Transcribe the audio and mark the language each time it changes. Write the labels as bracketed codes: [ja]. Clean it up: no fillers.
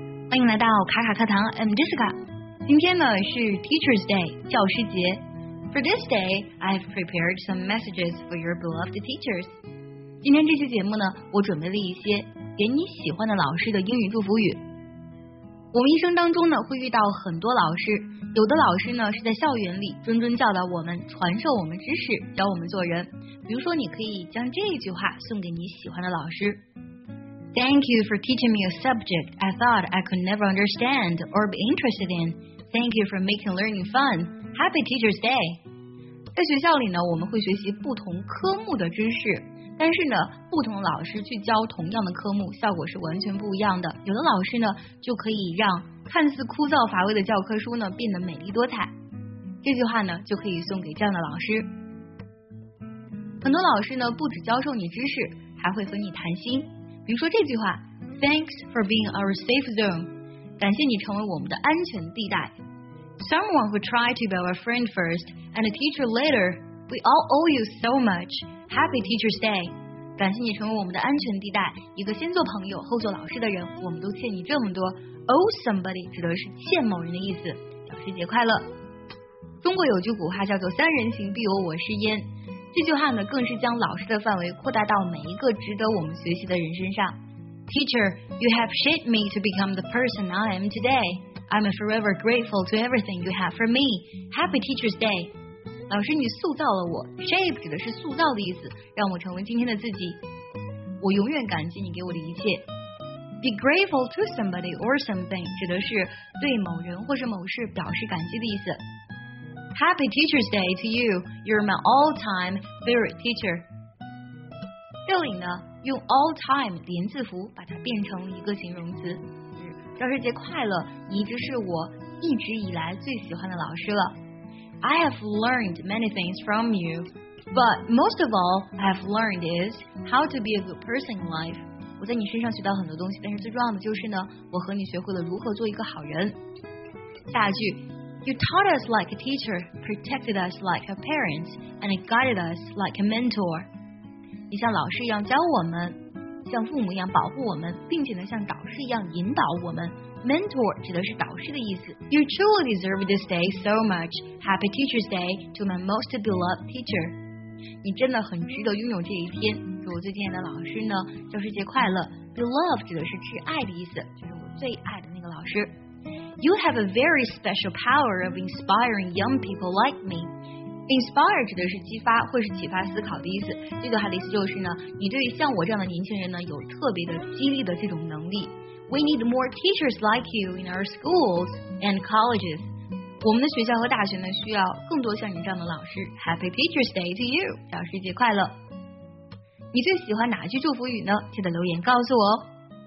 [zh] 欢迎来到卡卡课堂 ， [en] I'm Jessica。 [zh] 今天呢是 Teacher's Day， 教师节。 [en] For this day, I've prepared some messages for your beloved teachers。 [zh] 今天这期节目呢，我准备了一些给你喜欢的老师的英语祝福语。我们一生当中呢，会遇到很多老师，有的老师呢是在校园里谆谆教导我们，传授我们知识，教我们做人。比如说，你可以将这句话送给你喜欢的老师。 [en] Thank you for teaching me a subject I thought I could never understand or be interested in. Thank you for making learning fun. Happy Teacher's Day. [zh] 在学校里呢，我们会学习不同科目的知识，但是呢，不同老师去教同样的科目，效果是完全不一样的。有的老师呢，就可以让看似枯燥乏味的教科书呢，变得美丽多彩。这句话呢，就可以送给这样的老师。很多老师呢，不只教授你知识，还会和你谈心。比如说这句话 [en] Thanks for being our safe zone [zh] 感谢你成为我们的安全地带 [en] Someone who tried to be our friend first and a teacher later We all owe you so much Happy Teacher's Day [zh] 感谢你成为我们的安全地带一个先做朋友后做老师的人我们都欠你这么多 Owe somebody 指的是欠某人的意思老师节快乐中国有句古话叫做三人行必有我师焉这句话呢，更是将老师的范围扩大到每一个值得我们学习的人身上。 [en] Teacher, you have shaped me to become the person I am today. I'm forever grateful to everything you have for me. Happy Teacher's Day. [zh] 老师，你塑造了我。 Shape 指的是塑造的意思，让我成为今天的自己。我永远感激你给我的一切。 [en] Be grateful to somebody or something [zh] 指的是对某人或是某事表示感激的意思。 [en] Happy Teacher's Day to you. You're my all-time favorite teacher. [zh] 这里呢，用 all-time 连字符把它变成一个形容词。教师节快乐，你一直是我一直以来最喜欢的老师了。 [en] I have learned many things from you, but most of all I have learned is how to be a good person in life. [zh] 我在你身上学到很多东西，但是最重要的就是呢，我和你学会了如何做一个好人。下一句 [en] You taught us like a teacher, protected us like a parent, and guided us like a mentor. [zh] 你像老师一样教我们，像父母一样保护我们，并且呢像导师一样引导我们。 Mentor 指的是导师的意思。 [en] You truly deserve this day so much. Happy Teacher's Day to my most beloved teacher. [zh] 你真的很值得拥有这一天。祝我最亲爱的老师呢，教师节快乐。 Beloved 指的是挚爱的意思，就是我最爱的那个老师。 [en] You have a very special power of inspiring young people like me. [zh] Inspire 指的是激发或是启发思考的意思。这句话的意思就是呢，你对于像我这样的年轻人呢，有特别的激励的这种能力。 [en] We need more teachers like you in our schools and colleges. [zh] 我们的学校和大学呢，需要更多像你这样的老师。 [en] Happy Teacher's Day to you. [zh] 教师节快乐。你最喜欢哪句祝福语呢？记得留言告诉我哦。